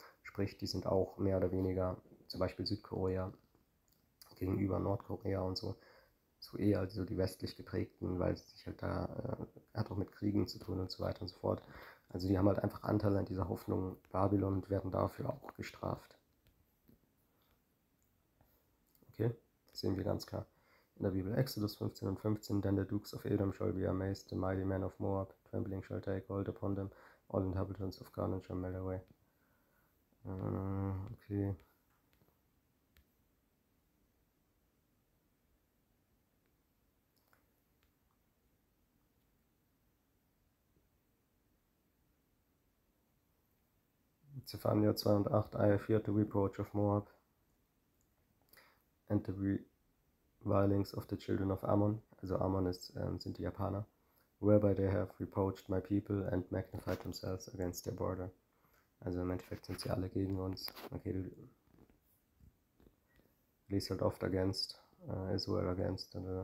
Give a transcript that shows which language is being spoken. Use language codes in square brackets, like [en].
[de] Sprich, die sind auch mehr oder weniger, zum Beispiel Südkorea gegenüber Nordkorea und so, so eher also die westlich geprägten, weil sich halt da, hat auch mit Kriegen zu tun und so weiter und so fort. Also die haben halt einfach Anteil an dieser Hoffnung Babylon und werden dafür auch gestraft. Okay, das sehen wir ganz klar in der Bibel. [en] Exodus 15 [de] und [en] 15, Then the dukes of Edom shall be amazed, the mighty men of Moab, trembling shall take hold upon them, all inhabitants of Canaan shall melt away. [de] Okay. [en] Zephaniah 2 und 8, I feared the reproach of Moab and the revilings of the children of Ammon, [de] also Ammon ist, sind die Japaner, [en] whereby they have reproached my people and magnified themselves against their border. [de] Also im Endeffekt sind sie alle gegen uns. Okay, du liest halt oft [en] against, Israel against.